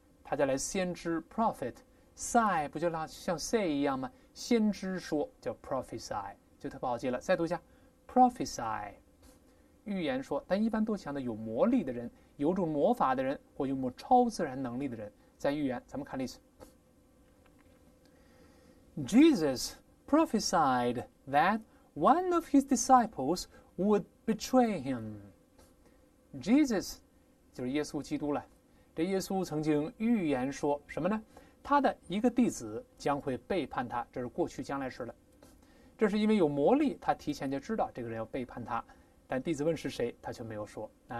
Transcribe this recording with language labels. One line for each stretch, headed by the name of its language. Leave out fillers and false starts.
Chinese: 他再来先知 prophet， say 不就像 say 一样吗？先知说叫 prophesy， 就特别好记了。再读一下 prophesy， 预言说，但一般都强调有魔力的人，有种魔法的人，或有某超自然能力的人在预言。咱们看例子
English: ，Jesus prophesied that one of his disciples would betray him。
Chinese: Jesus 就是耶稣基督了。这耶稣曾经预言说什么呢？他的一个弟子将会背叛他，这是过去将来时了。这是因为有魔力，他提前就知道这个人要背叛他，但弟子问是谁，他却没有说。